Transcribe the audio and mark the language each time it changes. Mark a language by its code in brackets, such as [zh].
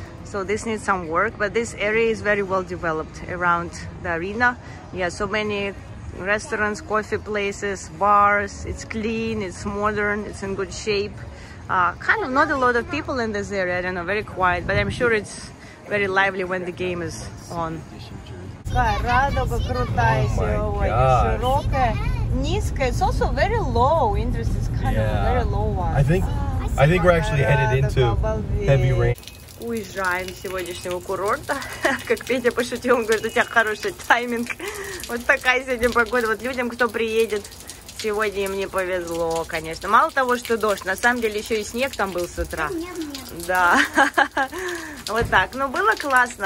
[en] So this needs some work, but this area is very well developed around the arena. Yeah, so many restaurants, coffee places, bars. It's clean, it's modern, it's in good shape. Kind of not a lot of people in this area, I don't know, very quiet, but I'm sure it's very lively when the game is on. [ru] Радуга крутая сегодня, широкая, низкая. [en] It's also very low. Interest is kind of very low one. I think we're actually headed into heavy rain. [ru] Уезжаем с сегодняшнего курорта. Как Петя пошутил, он говорит, у тебя хороший тайминг. Вот такая сегодня погода. Вот людям, кто приедет, сегодня им не повезло, конечно. Мало того, что дождь, на самом деле еще и снег там был с утра. Да. Вот так. Но было классно.